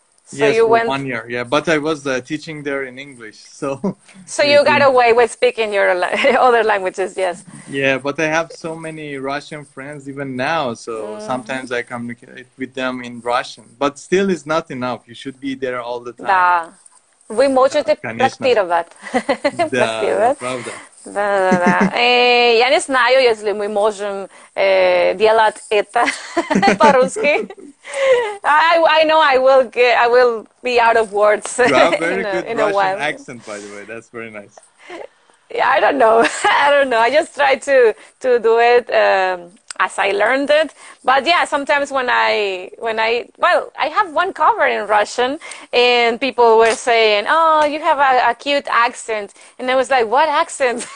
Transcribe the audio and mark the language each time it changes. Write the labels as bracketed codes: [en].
[en] So yes, you for went... 1 year, yeah. But I was teaching there in English, so... So you got away with speaking your other languages, yes. Yeah, but I have so many Russian friends even now, so sometimes I communicate with them in Russian. But still, it's not enough. You should be there all the time. [ru] Вы можете практировать. Да, правда. Да. Я не знаю, если мы можем делать это по-русски. [en] I know I will be out of words. You have very good Russian accent, by the way. That's very nice. Yeah, I don't know. I just try to do it as I learned it. But yeah, sometimes I have one cover in Russian, and people were saying, "Oh, you have a cute accent," and I was like, "What accent?"